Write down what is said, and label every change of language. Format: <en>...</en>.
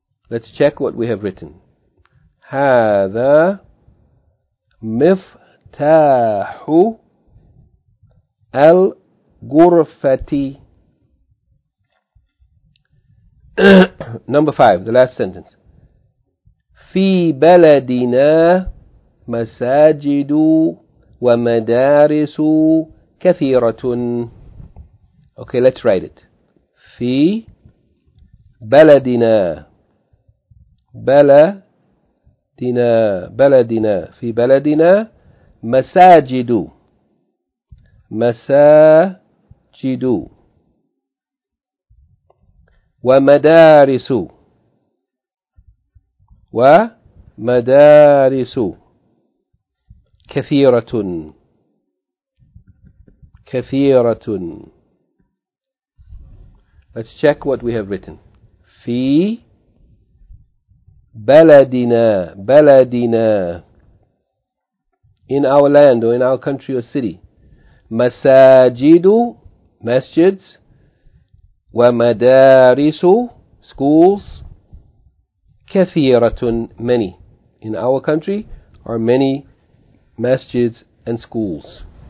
<en>Let's check what we have written.</en> <ar>هذا مفتاح الغرفة.</ar> <en>Number five, the last sentence.</en> <ar>في بلدنا مساجد ومدارس كثيرة.</ar> <en>Okay, let's write it.</en> <ar>في بلدنا بلدنا بلدنا في بلدنا مساجد مساجد ومدارس ومدارس كثيرة كثيرة.</ar> <en>Let's check what we have written.</en> <ar>في بلدنا بلدنا</ar> <en>in our land or in our country or city مساجد masjids ومدارس schools كثيرة many in our country are many masjids and schools.</en>